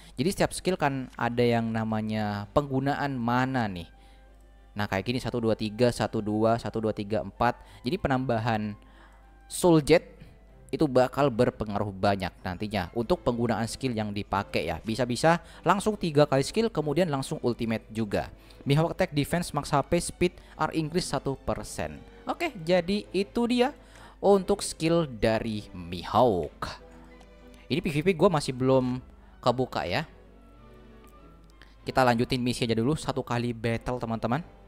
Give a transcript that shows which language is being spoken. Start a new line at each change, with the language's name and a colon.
Indonesian: Jadi setiap skill kan ada yang namanya penggunaan mana nih. Nah, kayak gini 1 2 3 1 2 1 2 3 4. Jadi penambahan soul jet itu bakal berpengaruh banyak nantinya untuk penggunaan skill yang dipakai ya. Bisa-bisa langsung 3 kali skill kemudian langsung ultimate juga.
English: Mihawk attack defense max HP speed are increase 1%.
Indonesian: Oke, jadi itu dia untuk skill dari Mihawk. Ini PvP gua masih belum kebuka ya. Kita lanjutin misi aja dulu, satu kali battle teman-teman.